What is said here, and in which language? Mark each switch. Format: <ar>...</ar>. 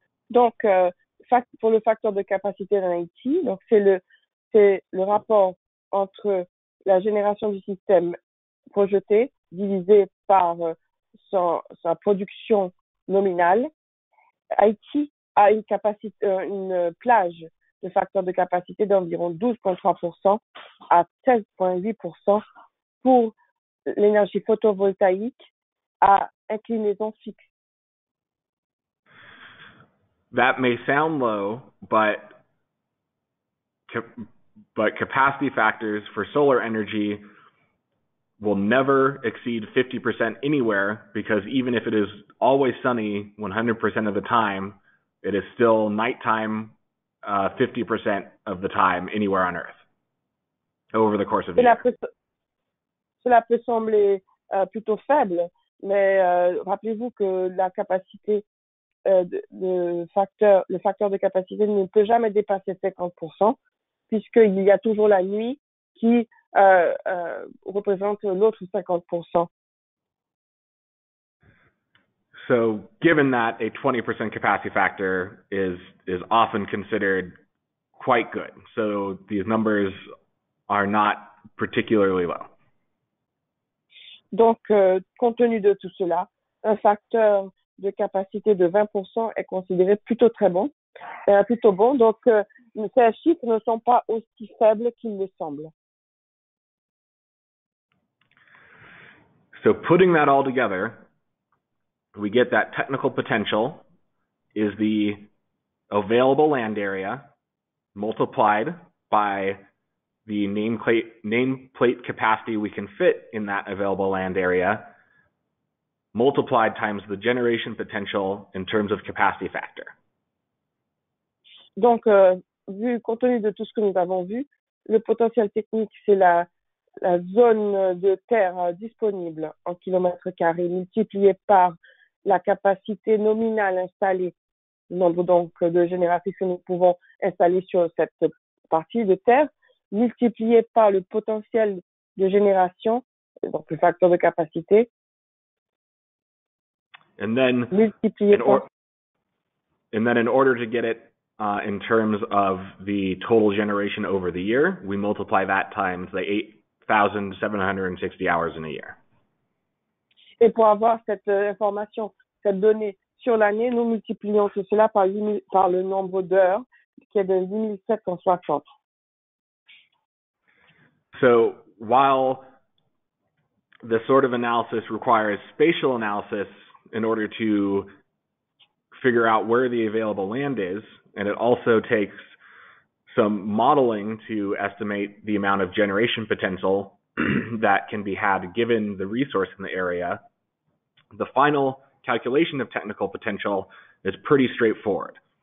<fr>Donc, pour le facteur de capacité en Haïti, donc c'est le rapport entre la génération du système projeté divisé par sa production nominale. Haïti a une plage de facteur de capacité d'environ 12.3% à 16.8% pour l'énergie photovoltaïque à inclinaison fixe.</fr> <en>That may sound low, but capacity factors for solar energy will never exceed 50% anywhere, because even if it is always sunny 100% of the time, it is still nighttime 50% of the time anywhere on Earth over the course of the year.</en> <fr>Cela peut sembler plutôt faible, mais rappelez-vous que la capacité le facteur de capacité ne peut jamais dépasser 50%, puisqu'il y a toujours la nuit qui représente l'autre 50%.</fr> <en>So, given that a 20% capacity factor is often considered quite good, so these numbers are not particularly low.</en> <fr>Donc, compte tenu de tout cela, un facteur de capacité de 20% est considéré plutôt très bon, plutôt bon. Donc, ces chiffres ne sont pas aussi faibles qu'il le semble.</fr> <en>So, putting that all together, we get that technical potential is the available land area multiplied by the nameplate capacity we can fit in that available land area multiplied times the generation potential in terms of capacity factor.</en> <fr>Donc, vu compte tenu de tout ce que nous avons vu, le potentiel technique, c'est la zone de terre disponible en kilomètres carrés multiplié par la capacité nominale installée, le nombre donc de génératrices que nous pouvons installer sur cette partie de terre, multiplié par le potentiel de génération, donc le facteur de capacité,</fr> <en>And then in order to get it in terms of the total generation over the year, we multiply that times the 8,760 hours in a year.</en> <fr>Et pour avoir cette information, cette donnée sur l'année, nous multiplions tout cela par le nombre d'heures qui est de 8760.</fr> <en>So while the sort of analysis requires spatial analysis in order to figure out where the available land is, and it also takes some modeling to estimate the amount of generation potential that can be had given the resource in the area, the final calculation of technical potential is pretty straightforward.</en>